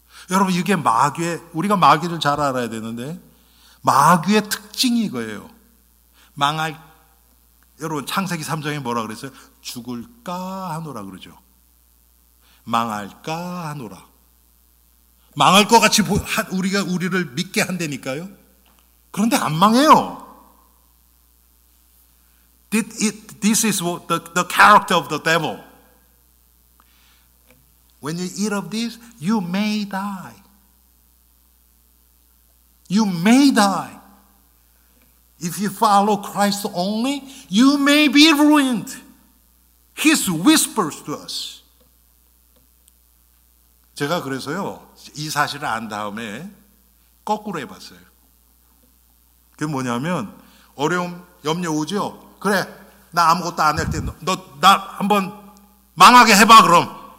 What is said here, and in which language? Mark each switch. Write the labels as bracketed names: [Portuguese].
[Korean] 여러분 이게 마귀의, 우리가 마귀를 잘 알아야 되는데 마귀의 특징이 이거예요. 망할, 여러분 창세기 3장에 뭐라 그랬어요? 죽을까 하노라 그러죠. 망할까 하노라. 망할 것 같이 우리가 우리를 믿게 한다니까요. 그런데 안 망해요. [English] This is what the character of the devil. When you eat of this, you may die. You may die. If you follow Christ only, you may be ruined. His whispers to us. [Korean] 제가 그래서요, 이 사실을 안 다음에 거꾸로 해봤어요. 그게 뭐냐면, 어려움, 염려 오죠? 그래, 나 아무것도 안 할 때, 너, 나 한번 망하게 해봐, 그럼.